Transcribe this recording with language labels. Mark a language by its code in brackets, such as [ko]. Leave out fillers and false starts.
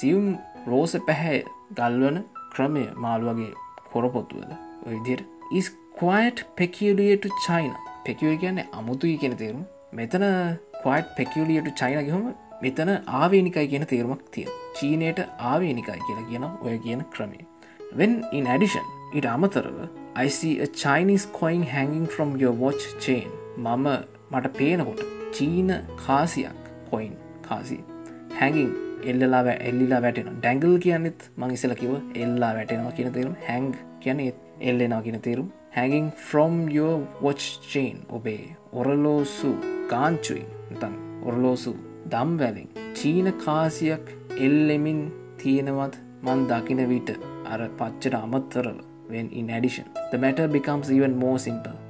[si] සියුම් rose පැහැ ගල්වන ක්‍රමය මාළුවගේ කොරපොතුවද ඔය විදිහට. [en] Is quite peculiar to China. Peculiar කියන්නේ අමුතුයි කියන තේරුම. [si] මෙතන quite peculiar to China කියවම මෙතන ආවේනිකයි කියන තේරුමක් තියෙනවා. චීනයට ආවේනිකයි කියලා කියනවා ඔය කියන ක්‍රමය. [en] When in addition ඊට අමතරව I see a Chinese coin hanging from your watch chain. [si] මම මට පේනකොට චීන කාසියක් coin කාසි hanging එල්ලලා එල්ලීලා වැටෙනවා. Dangle කියන්නේත් මං ඉස්සෙල්ලා කිව්ව එල්ලලා වැටෙනවා කියන තේරුම. Hang කියන්නේ එල්ලෙනවා කියන තේරුම. Hanging from your watch chain ඔබේ ඔරලෝසු ගාන්චුයි නැත්නම් ඔරලෝසු දම්වැලෙන් චීන කාසියක් එල්ලෙමින් තියෙනවත් මං දකින විට අර පච්චට අමතරව when in addition the matter becomes even more simple.